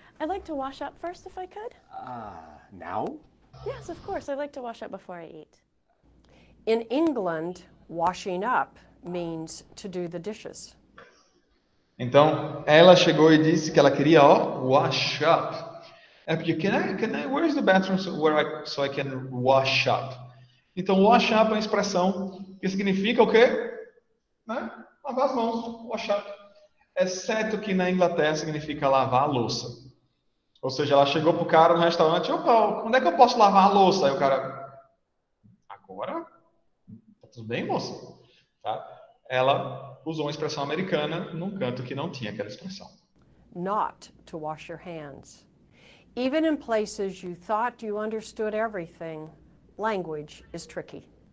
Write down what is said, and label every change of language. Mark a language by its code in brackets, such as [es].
[en] I'd like to wash up first, if I could. Now? Yes, of course. I'd like to wash up before I eat. In England, washing up means to do the dishes. [pt] Então, ela chegou e disse que ela queria, ó, wash up. É porque, [en] can I, where is the bathroom so I can wash up? [pt] Então, wash up é uma expressão que significa o quê? Né? Lavar as mãos, wash up. Exceto que na Inglaterra significa lavar a louça. Ou seja, ela chegou pro cara no restaurante, opa, onde é que eu posso lavar a louça? Aí o cara, agora? Tá tudo bem, moça? Tá? Ela usou uma expressão americana num canto que não tinha aquela expressão. [en] Not to wash your hands. Even in places you thought you understood everything, language is tricky.